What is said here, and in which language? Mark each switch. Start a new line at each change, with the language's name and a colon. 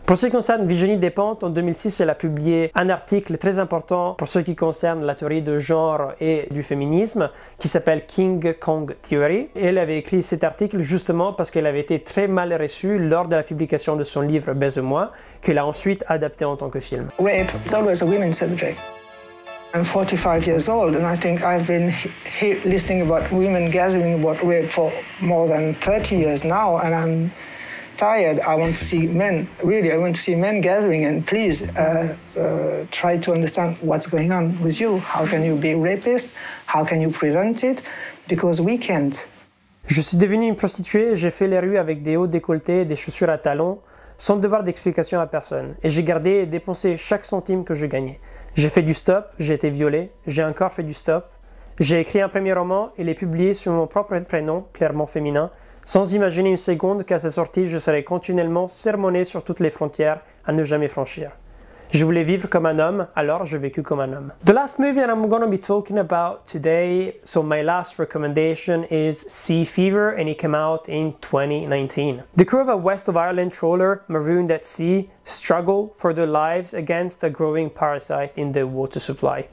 French: Pour ce qui concerne Virginie Despentes, en 2006, elle a publié un article très important pour ce qui concerne la théorie de genre et du féminisme, qui s'appelle King Kong Theory. Et elle avait écrit cet article justement parce qu'elle avait été très mal reçue lors de la publication de son livre Baise-Moi, qu'elle a ensuite adapté en tant que film.
English: Rape is always a women's subject. I'm 45 years old, and I think I've been listening about women gathering about rape for more than 30 years now, and I'm tired. I want to see men, really, I want to see men gathering, and please try to understand what's going on with you. How can you be a rapist? How can you prevent it? Because we can't.
French: Je suis devenue une prostituée, j'ai fait les rues avec des hauts décolletés, des chaussures à talons, sans devoir d'explication à personne, et j'ai gardé et dépensé chaque centime que je gagnais. J'ai fait du stop, j'ai été violée, j'ai encore fait du stop. J'ai écrit un premier roman et l'ai publié sous mon propre prénom, clairement féminin, sans imaginer une seconde qu'à sa sortie, je serais continuellement sermonné sur toutes les frontières à ne jamais franchir. Je voulais vivre comme un homme, alors j'ai vécu comme un homme.
English: The last movie that I'm going to be talking about today, so my last recommendation is Sea Fever, and it came out in 2019. The crew of a West of Ireland trawler marooned at sea struggle for their lives against a growing parasite in the water supply.